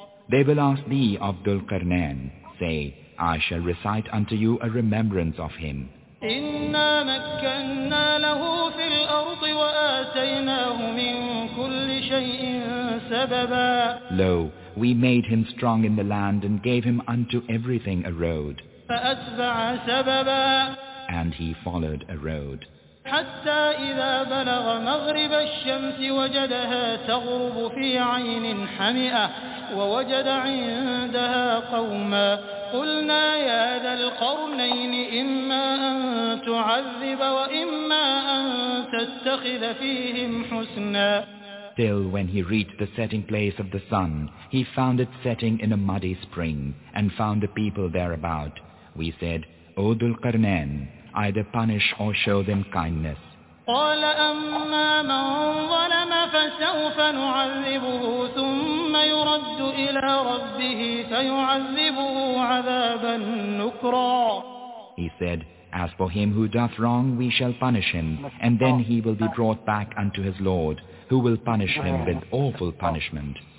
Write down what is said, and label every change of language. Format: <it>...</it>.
<en>They will ask thee of Dhul-Qarnayn. Say, I shall recite unto you a remembrance of him.</en> <ar>إنا مكنا له في الأرض وآتيناه من كل شيء سببا.</ar> <en>Lo, we made him strong in the land and gave him unto everything a road.</en> <ar>فأتبع سببا.</ar> <en>And he followed a road.</en> <ar>حتى إذا بلغ مغرب الشمس وجدها تغرب في عين حمئة ووجد عندها قوما. قلنا يا ذا القرنين إما أن تعذب وإما أن تتخذ فيهم حسنا.</ar> <en>Till when he reached the setting place of the sun, he found it setting in a muddy spring, and found the people thereabout. We said, O Dhul-Qarnayn, either punish or show them kindness.</en> <ar>قال أما من ظلم فسوف نعذبه ثم يرد إلى ربه فيعذبه عذابا نكرا.</ar> <en>He said, As for him who doth wrong, we shall punish him, and then he will be brought back unto his Lord, who will punish him with awful punishment.</en>